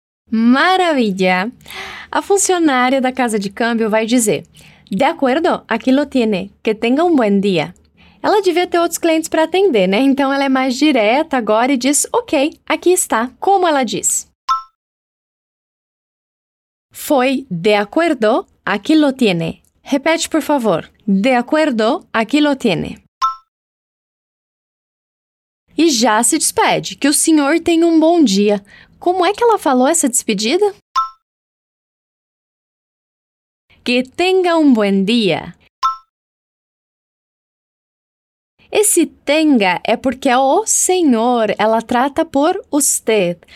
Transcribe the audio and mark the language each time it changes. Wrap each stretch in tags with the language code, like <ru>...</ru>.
<pt>Maravilha! A funcionária da casa de câmbio vai dizer:</pt> <es>De acuerdo, aquí lo tiene. Que tenga un buen día.</es> <pt>Ela devia ter outros clientes para atender, né? Então ela é mais direta agora e diz: Ok, aqui está. Como ela diz?</pt> <es>Foi de acuerdo, aquí lo tiene.</es> <pt>Repete, por favor.</pt> <es>De acuerdo, aquí lo tiene.</es> <pt>E já se despede. Que o senhor tenha um bom dia. Como é que ela falou essa despedida?</pt> <es>Que tenga um buen dia.</es> <pt>Esse tenga é porque é o senhor. Ela trata por usted.</pt>